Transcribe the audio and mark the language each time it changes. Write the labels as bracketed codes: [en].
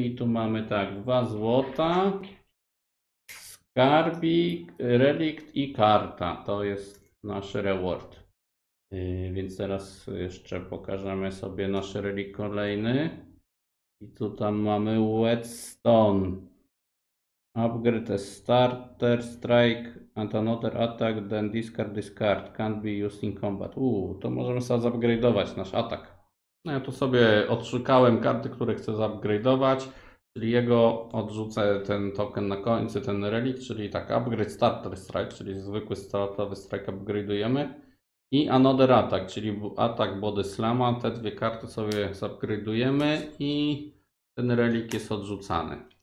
[pl] I tu mamy tak. 2 złota. Skarbik, relikt i karta. To jest nasz reward. Więc teraz jeszcze pokażemy sobie nasz relikt kolejny. I tu tam mamy Whetstone. [en] Upgrade a starter, strike, and another attack, then discard. Can't be used in combat. [pl] To możemy sobie zaupgrade'ować nasz atak. No ja tu sobie odszukałem karty, które chcę zaupgrade'ować. Czyli jego odrzucę ten token na końcu, ten relikt. Czyli tak, [en] upgrade starter strike, [pl] czyli zwykły startowy strike upgrade'ujemy. I [en] another attack, [pl] czyli atak Body Slama. Te dwie karty sobie upgrade'ujemy i ten relik jest odrzucany.